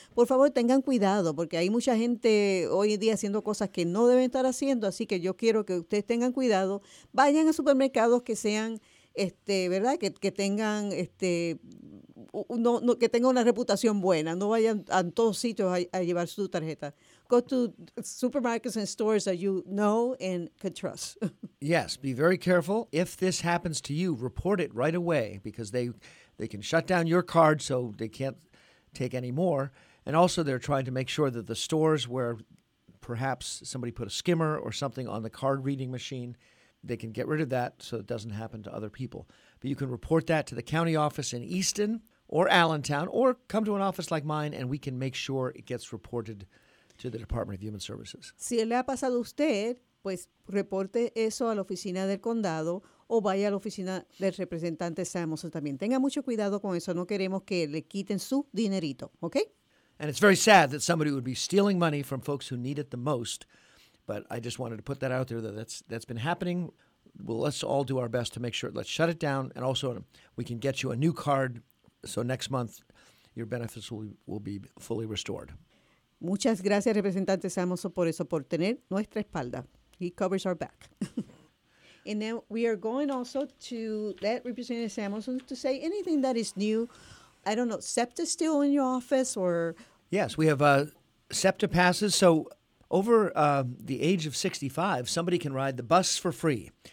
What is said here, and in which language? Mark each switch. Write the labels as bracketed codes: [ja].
[es] Por favor, tengan cuidado, porque hay mucha gente hoy en día haciendo cosas que no deben estar haciendo, así que yo quiero que ustedes tengan cuidado. Vayan a supermercados que sean, ¿verdad?, que tengan, que tengan una reputación buena. No vayan a todos sitios a llevar su tarjeta. [en] Go to supermarkets and stores that you know and can trust. Yes, be very careful. If this happens to you, report it right away, because they can shut down your card so they can't take any more. And also they're trying to make sure that the stores where perhaps somebody put a skimmer or something on the card reading machine, they can get rid of that so it doesn't happen to other people. But you can report that to the county office in Easton or Allentown, or come to an office like mine and we can make sure it gets reported to the Department of Human Services. [es] Si le ha pasado a usted, pues reporte eso a la oficina del condado o vaya a la oficina del representante Samuelson también. Tenga mucho cuidado con eso. No queremos que le quiten su dinerito, ¿okay? [en] And it's very sad that somebody would be stealing money from folks who need it the most, but I just wanted to put that out there that that's been happening. Well, let's all do our best to make sure. Let's shut it down, and also we can get you a new card so next month your benefits will be fully restored. [es] Muchas gracias, representante Samoso, por eso, por tener nuestra espalda. [en] He covers our back. And then we are going also to let representative Samoso to say anything that is new. I don't know, SEPTA still in your office or? Yes, we have SEPTA passes. So over the age of 65, somebody can ride the bus for free.